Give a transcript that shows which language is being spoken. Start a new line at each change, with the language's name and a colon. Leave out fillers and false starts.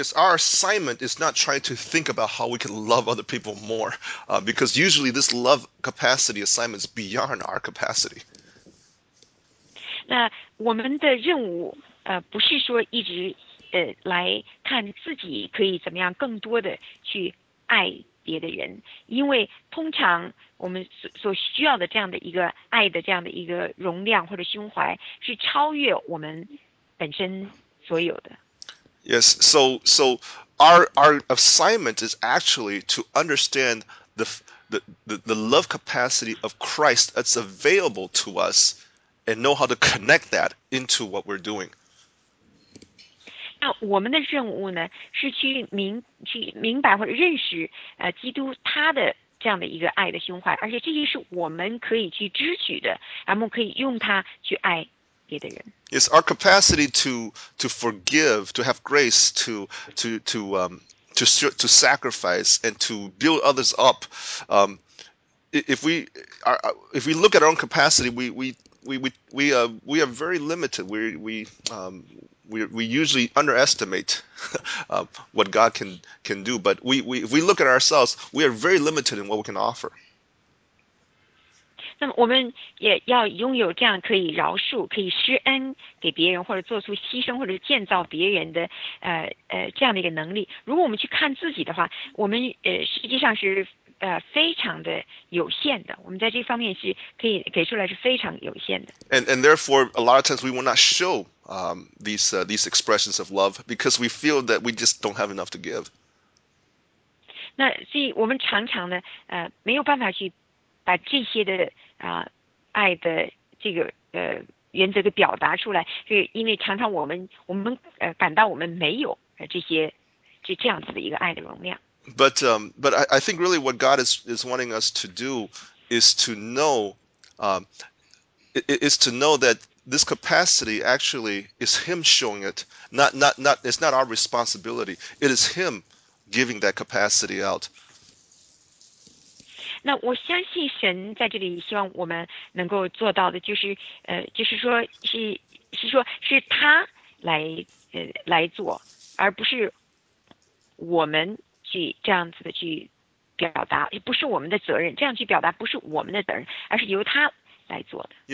English: Yes, our assignment is not trying to think about how we can love other people more, because usually this love capacity assignment is beyond our capacity.
Chinese: 那我们的任务不是说一直来看自己可以怎么样更多的去爱别的人，因为通常我们所需要的这样的一个爱的这样的一个容量或者胸怀是超越我们本身所有的。
English: Yes, so our assignment is actually to understand the love capacity of Christ that's available to us and know how to connect that into what we're doing.
Chinese: 那我们的任务呢，是去明白或者认识基督他的这样的一个爱的胸怀，而且这些是我们可以去支取的，然后可以用它去爱别的人。
English: Yes, our capacity to forgive, to have grace, to sacrifice and to build others up. If we look at our own capacity, we are very limited. We usually underestimate what God can do, but if we look at ourselves, we are very limited in what we can offer.
Chinese: 那么我们也要拥有这样可以饶恕、可以施恩给别人，或者做出牺牲或者建造别人的这样的一个能力。如果我们去看自己的话，我们实际上是非常的有限的，我们在这方面是可以给出来是非常有限的。
English: And therefore, a lot of times we will not show these expressions of love because we feel that we just don't have enough to give.
Chinese: 那所以我们常常呢，没有办法去把这些的爱的这个原则给表达出来，是因为常常我们感到我们没有这样子的一个爱的容量。
English: But I think really what God is wanting us to do is to know that this capacity actually is Him showing it, not it's not our responsibility. It is Him giving that capacity out.
Chinese: 那我相信神在这里希望我们能够做到的，就是说是是说是他来来做，而不是我们去这样子的去表达，也不是我们的责任，这样去表达不是我们的责任，而是由他来做的。